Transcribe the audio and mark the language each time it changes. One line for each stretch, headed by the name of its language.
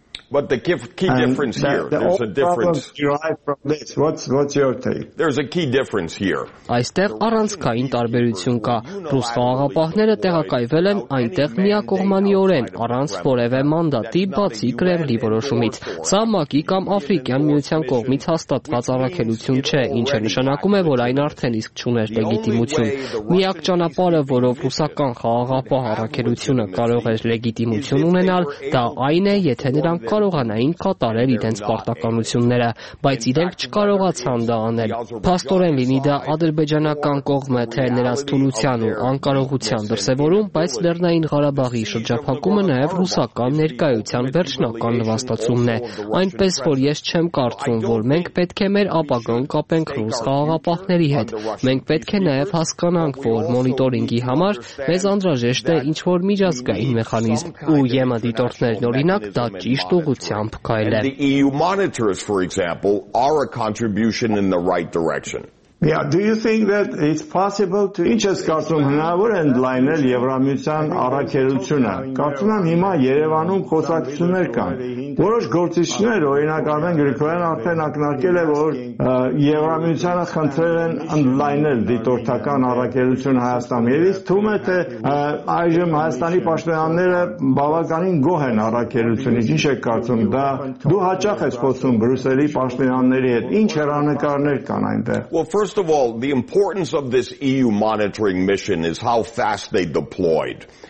English: But the key difference here, there's a difference. Derived from this. What's your take? There's a key difference here.
Armenian: Այստեղ առանցքային տարբերություն կա. Ռուս խաղաղապահները տեղակայվել են այնտեղ միակողմանիորեն, առանց որևէ մանդատի, բացի Կրեմլի որոշումից։ Սա ՄԱԿ-ի կամ Աֆրիկյան Միության կողմից հաստատված առաքելություն չէ, ինչը նշանակում է, որ այն արդեն իսկ չուներ լեգիտիմություն։ Միակ ճանապարհը, որով ռուսական խաղաղապահ առաքելությունը կարող էր լեգիտիմություն ունենալ, դա այն է, եթե նրանք կարողանային կատարել իրենց պարտականությունները, բայց իրենք չկարողացան դա անել։ Փաստորեն լինի դա ադրբեջանական կողմը, թե նրանց թուլության ու անկարողության դրսևորում, բայց Լեռնային Ղարաբաղի շրջափակումը նաև ռուսական ներկայության վերջնական նվաստացումն է, այնպես որ ես չեմ կարծում, որ մենք պետք է մեր ապագան կապենք ռուս խաղաղապահների հետ։ Մենք պետք է նաև հասկանանք, որ մոնիտորինգի համար մեզ անդրաժեշտ է ինչ-որ միջազգային մեխանիզմ, ու ԵՄ դիտորդներն օրինակ դա
English: And the EU monitors, for example, are a contribution in the right direction. Yeah, do you think that it's possible to
Armenian: inches կարծում հնարավոր է ընդլայնել եվրամիության առաքելությունը։ Կարծում եմ հիմա Երևանում խոսակցություններ կան։ Որոշ գործիչներ, օրինակ Արմեն Գրիգորյանը արդեն ակնարկել է, որ եվրամիությանը խնդրել են ընդլայնել դիտորդական առաքելությունը Հայաստանի եւ ինձ թվում է, թե այժմ Հայաստանի պաշտոնյաները բավականին գոհ են առաքելությունից։ Ինչ եք կարծում, դա դու հաճախ ես խոսում Բրյուսելի պաշտոնյաների հետ, ինչ հեռանկարներ կան այնտեղ։
English: First of all, the importance of this EU monitoring mission is how fast they deployed.